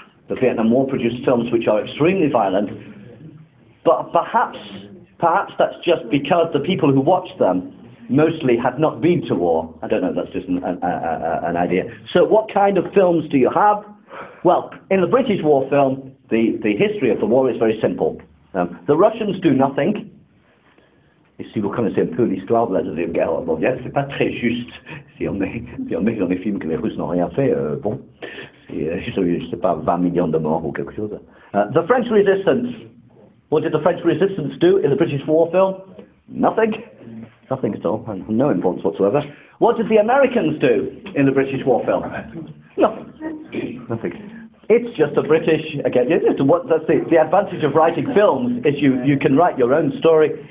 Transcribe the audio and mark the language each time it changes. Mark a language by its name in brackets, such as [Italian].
[English] The Vietnam War produced films which are extremely violent. But perhaps that's just because the people who watched them mostly had not been to war. I don't know, that's just an idea. So what kind of films do you have? Well, in the British war film, the history of the war is very simple. The Russians do nothing. [French] Ici, vous connaissez un peu l'histoire de la Deuxième Guerre mondiale. C'est pas très juste. Si on met dans les films que les Russes n'ont rien fait, c'est pas 20 millions de morts ou quelque chose. [English] The French Resistance. What did the French Resistance do in the British war film? Nothing. Nothing at all. No importance whatsoever. What did the Americans do in the British war film? Nothing. Nothing. It's just the British, again, that's the advantage of writing films is you can write your own story.